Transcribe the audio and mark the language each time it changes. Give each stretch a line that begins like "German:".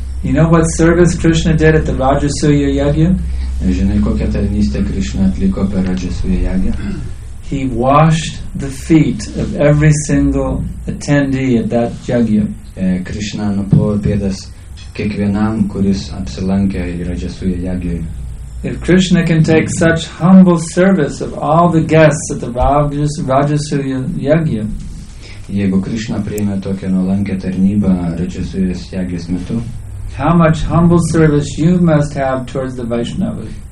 English: You know what service Krishna did at the Rajasuya Yagya?
Lithuanian: Žinai, kokią tarnystę Krishna atliko per Rajasuya Yagya?
English: He washed the feet of every single attendee at that yagya.
Lithuanian: Krishna nuplovė pėdas kiekvienam, kuris apsilankė Rajasuya Yagya.
English: If Krishna can take such humble service of all the guests at the Rajasuya Yagya,
Lithuanian: jeigu Krishna priėmė tokią nuolankę tarnybą Rajasuya Yagyas metu,
English: how much humble service you must have towards the Vaishnavas.